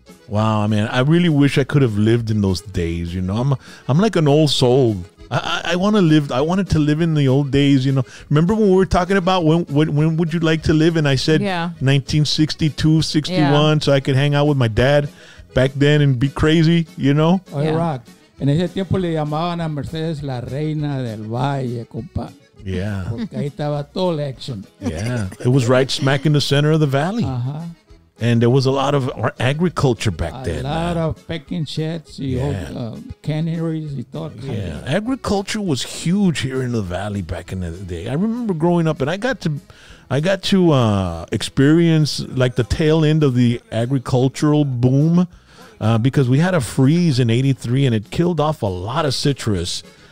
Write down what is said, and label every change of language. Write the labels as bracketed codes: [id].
[en] Wow, I mean, I really wish I could have lived in those days, you know. I'm like an old soul. I wanted to live in the old days, you know. Remember when we were talking about when would you like to live? And I said, yeah, 1962, 61, yeah, so I could hang out with my dad back then and be crazy, you know. Oh, yeah. Rock. [es] En ese tiempo le llamaban a Mercedes la reina del valle, compa. [en] Yeah. [es] Porque ahí estaba todo el action. [en] Yeah. It was right smack in the center of the valley. Uh-huh. And there was a lot of agriculture back then. A lot of pecking sheds, yeah, canneries. Yeah, agriculture was huge here in the valley back in the day. I remember growing up, and I got to experience like the tail end of the agricultural boom, because we had a freeze in '83, and it killed off a lot of citrus.